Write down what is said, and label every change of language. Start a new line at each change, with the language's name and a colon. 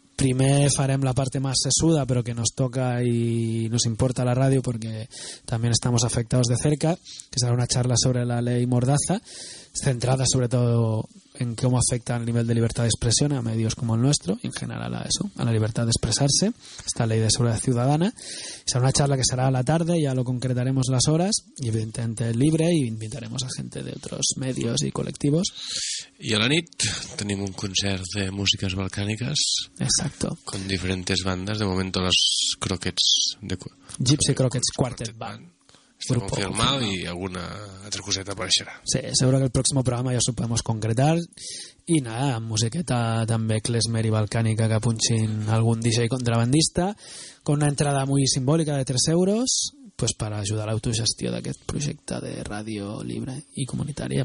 Spanish: Primer farem la parte más sesuda, pero que nos toca y nos importa la radio porque también estamos afectados de cerca, que será una charla sobre la ley Mordaza, centrada sobre todo en cómo afecta al nivel de libertad de expresión a medios como el nuestro, y en general a eso, a la libertad de expresarse, esta ley de seguridad ciudadana. Será una charla que será a la tarde, ya lo concretaremos las horas, y evidentemente libre, y invitaremos a gente de otros medios y colectivos.
Catalan: Y a la nit tenim un concert de músiques balcàniques.
Spanish: Exacto. Con diferentes bandas, de momento las Croquettes de Gypsy Croquettes Quartet Band. Grupo firmado y alguna otra coseta aparecerá. Sí, seguro que el próximo programa ya lo podemos concretar. Y nada, musiqueta también klezmer y balcánica que apunchin algún DJ contrabandista, con una entrada muy simbólica de 3 euros, pues para ayudar a la autogestión de
Catalan: aquest projecte
Spanish: de radio libre y comunitaria.